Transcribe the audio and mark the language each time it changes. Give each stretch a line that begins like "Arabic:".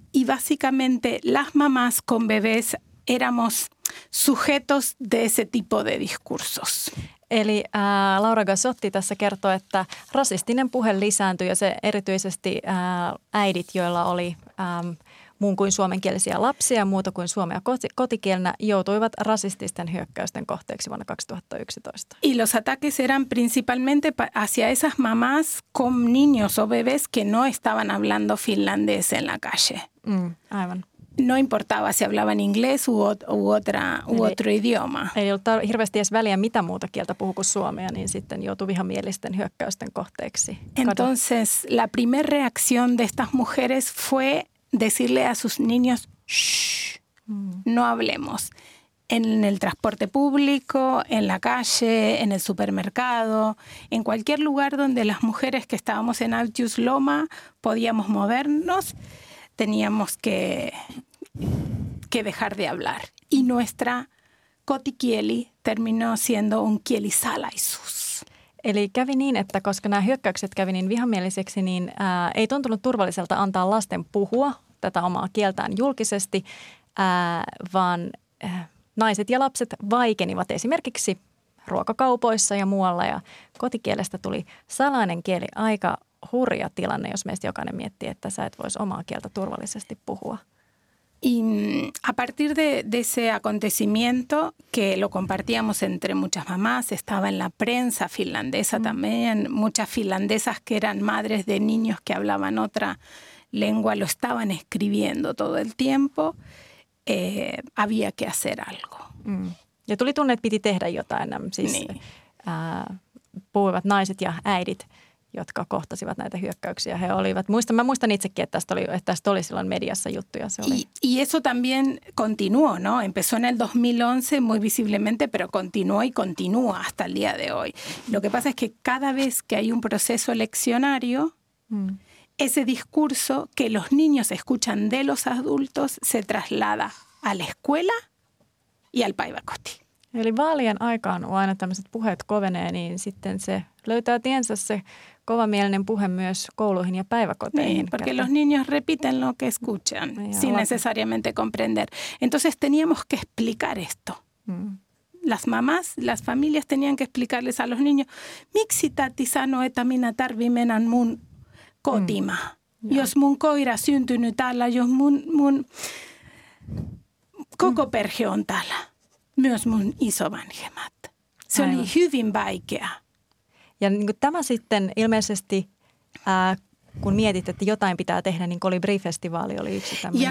Spanish: Y básicamente las mamás con bebés éramos sujetos de ese tipo de discursos.
Finnish: Eli Laura Gasotti tässä kertoo, että rasistinen puhe lisääntyi ja se erityisesti äidit, joilla oli muun kuin suomenkielisiä lapsia ja muuta kuin suomea kotikielenä, joutuivat rasististen hyökkäysten kohteeksi vuonna 2011.
Spanish: Y los ataques eran principalmente hacia esas mamás con niños o bebés que no estaban hablando finlandés en la calle.
Finnish: Aivan.
Spanish: no importaba si hablaban inglés u otro idioma.
Finnish: Ei ollut hirveästi edes väliä, mitä muuta kieltä puhuu kuin suomea, niin sitten joutui vihamielisten hyökkäysten kohteeksi.
Spanish: Entonces, la primera reacción de estas mujeres fue decirle a sus niños, shh, no hablemos. En el transporte público, en la calle, en el supermercado, en cualquier lugar donde las mujeres que estábamos en Altius Loma podíamos movernos, teníamos que dejar de hablar. Y nuestra Koti Kieli terminó siendo un kielisalaisuus.
Finnish: Eli kävi niin, että koska nämä hyökkäykset kävi niin vihamieliseksi, niin ei tuntunut turvalliselta antaa lasten puhua tätä omaa kieltään julkisesti, vaan naiset ja lapset vaikenivat esimerkiksi ruokakaupoissa ja muualla, ja kotikielestä tuli salainen kieli. Aika hurja tilanne, jos meistä jokainen miettii, että sä et voisi omaa kieltä turvallisesti puhua.
Spanish: Y a partir de ese acontecimiento, que lo compartíamos entre muchas mamás, estaba en la prensa finlandesa también, muchas finlandesas que eran madres de niños que hablaban otra lengua, lo estaban escribiendo todo el tiempo. Había que hacer algo.
Finnish: Ja tuli tunne, että piti tehdä jotain. Siis, niin. Puhuivat naiset ja äidit, jotka kohtasivat näitä hyökkäyksiä. He olivat, mä muistan itsekin, että tästä oli silloin mediassa juttuja. Se oli.
Spanish: Y eso también continuó, ¿no? Empezó en el 2011 muy visiblemente, pero continuó y continúa hasta el día de hoy. Lo que pasa es que cada vez que hay un proceso eleccionario, ese discurso que los niños escuchan de los adultos se traslada a la escuela y al päiväkoti.
Finnish: Eli vaalien aikaan, kun aina tämmöiset puheet kovenee, niin sitten se löytää tiensä se kovamielinen puhe myös kouluihin ja päiväkoteihin.
Spanish: Niin, porque los niños repiten lo que escuchan, sin necesariamente comprender. Entonces teníamos que explicar esto. Las mamás, las familias tenían que explicarles a los niños,
Finnish: miksi tati sano etamina tarvi menan mun kotima. Jos mun koira syntynyt täällä, jos mun koko perhe on täällä, myös mun isovanhemmat. Se oli hyvin vaikea. Ja niin kuin tämä sitten ilmeisesti, kun mietit, että jotain pitää tehdä, niin Kolibri-festivaali oli yksi tämmöinen.